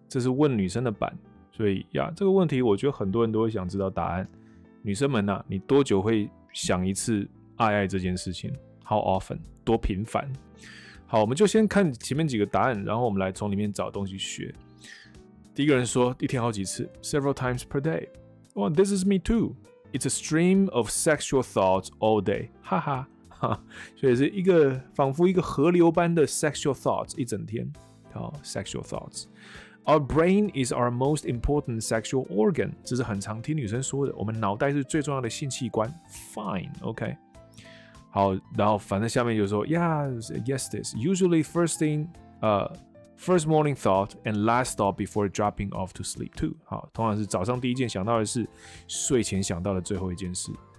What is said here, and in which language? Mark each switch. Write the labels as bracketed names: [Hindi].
[Chinese] 这是问女生的版，所以呀，这个问题我觉得很多人都会想知道答案。女生们啊，你多久会想一次爱爱这件事情？ [English] How often? [Chinese] 多频繁？好，我们就先看前面几个答案，然后我们来从里面找东西学。第一个人说一天好几次， [English] several times per day。Well, this is me too. It's a stream of sexual thoughts all day. [Chinese] 哈哈，所以是一个仿佛一个河流般的 sexual thoughts 一整天。 [English] 好， sexual thoughts. Our brain is our most important sexual organ. [Chinese] 这是很常听女生说的，我们脑袋是最重要的性器官。 Fine, OK。 好，然后反正下面就说 ，Yeah, yes, this. [English] Usually first thing, first morning thought and last thought before dropping off to sleep too. [Chinese] 好，通常是早上第一件想到的是睡前想到的最后一件事。